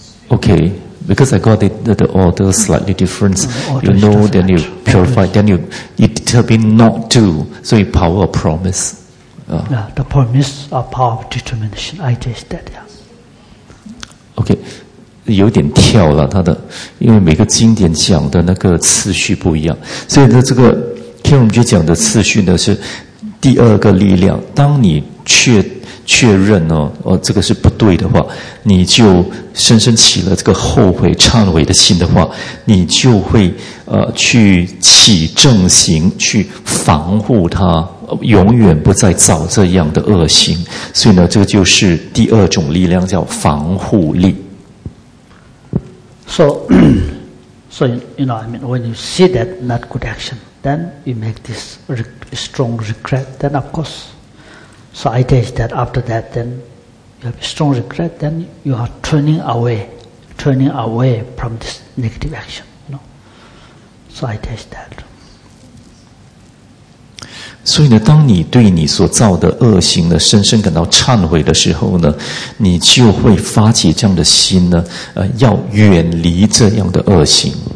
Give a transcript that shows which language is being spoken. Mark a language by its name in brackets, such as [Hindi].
[English] Okay, because I got it, the order slightly different. You know, then you purify, then you determine not to, so you power of promise. The promise of power of determination, I just said, yeah. Okay. [Chinese] 有点跳了他的，因为每个经典讲的那个次序不一样，所以呢，这个 Kiram 就讲的次序呢是第二个力量。当你确认呢，这个是不对的话，你就深深起了这个后悔、忏悔的心的话，你就会去起正行，去防护它，永远不再造这样的恶行。所以呢，这个就是第二种力量，叫防护力。 [English] So, you know, I mean, when you see that not good action, then you make this strong regret, then of course. So I teach that after that, then you have strong regret, then you are turning away from this negative action, you know. So I teach that. [Chinese] 所以呢，当你对你所造的恶行呢，深深感到忏悔的时候呢，你就会发起这样的心呢，要远离这样的恶行。